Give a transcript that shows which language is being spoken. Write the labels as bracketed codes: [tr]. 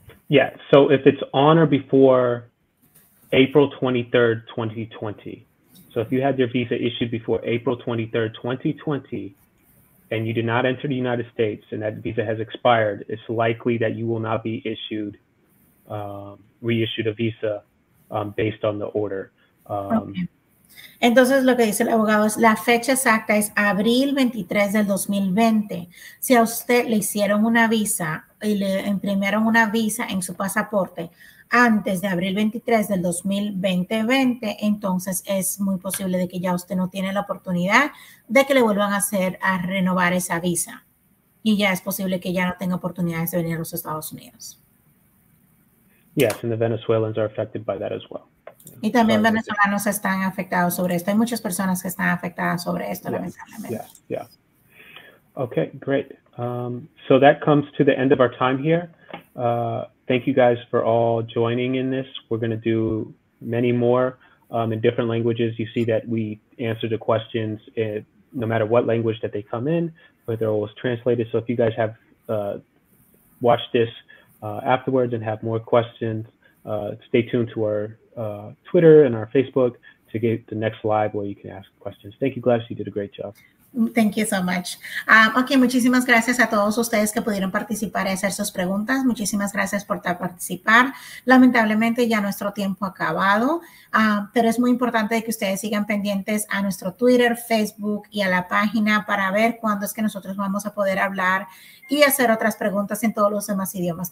[en] Yeah, so if it's on or before April 23rd, 2020. So if you had your visa issued before April 23rd, 2020, and you did not enter the United States and that visa has expired, it's likely that you will not be issued, reissued a visa based on the order. Okay. [es] Entonces, lo que dice el abogado es la fecha exacta es abril 23 del 2020. Si a usted le hicieron una visa y le imprimieron una visa en su pasaporte antes de abril 23 del 2020, entonces es muy posible de que ya usted no tiene la oportunidad de que le vuelvan a renovar esa visa. Y ya es posible que ya no tenga oportunidades de venir a los Estados Unidos. [en] Yes, and the Venezuelans are affected by that as well. [es] Y también [en] Sorry about that. [es] venezolanos están afectados sobre esto. Hay muchas personas que están afectadas sobre esto, lamentablemente. [en] Okay, great. So that comes to the end of our time here. Thank you guys for all joining in this. We're going to do many more in different languages. You see that we answer the questions in, no matter what language that they come in, but they're always translated. So if you guys have watched this afterwards and have more questions, stay tuned to our Twitter and our Facebook to get the next live where you can ask questions. Thank you, Gladys. You did a great job. Thank you so much. [es] Okay, muchísimas gracias a todos ustedes que pudieron participar y hacer sus preguntas. Muchísimas gracias por participar. Lamentablemente ya nuestro tiempo ha acabado, pero es muy importante que ustedes sigan pendientes a nuestro Twitter, Facebook y a la página para ver cuándo es que nosotros vamos a poder hablar y hacer otras preguntas en todos los demás idiomas.